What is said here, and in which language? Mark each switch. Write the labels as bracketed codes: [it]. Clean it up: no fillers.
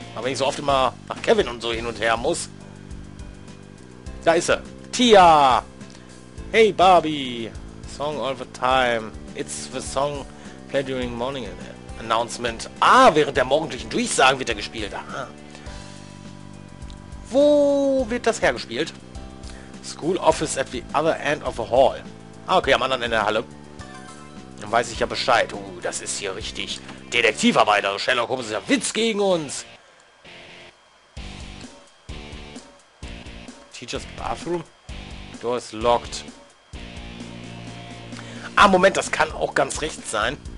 [de] Aber wenn ich so oft immer nach Kevin und so hin und her muss. Da ist er. Tia! [en] Hey Barbie! Song all the time. It's the song played during morning announcement. [de] Ah, während der morgendlichen Durchsagen wird er gespielt. Ah. Wo wird das hergespielt? [en] School Office at the other end of the hall. [de] Ah, okay, am anderen Ende der Halle. Dann weiß ich ja Bescheid. Das ist hier richtig. Detektivarbeit, also Sherlock Holmes ist ja Witz gegen uns. [en] Teacher's Bathroom? Door is locked. [de] Ah, Moment, das kann auch ganz recht sein.